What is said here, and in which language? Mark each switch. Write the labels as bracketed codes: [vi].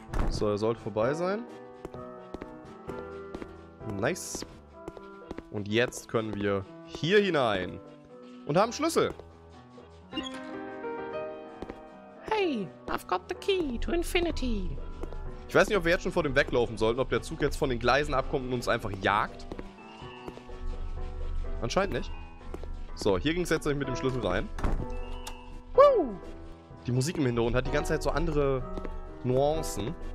[de] So, er sollte vorbei sein. Nice. Und jetzt können wir hier hinein. Und haben Schlüssel. [en] Hey, I've got the key to infinity. [de] Ich weiß nicht, ob wir jetzt schon vor dem weglaufen sollten, ob der Zug jetzt von den Gleisen abkommt und uns einfach jagt. Anscheinend nicht. So, hier ging es jetzt mit dem Schlüssel rein. Woo! Die Musik im Hintergrund hat die ganze Zeit so andere Nuancen.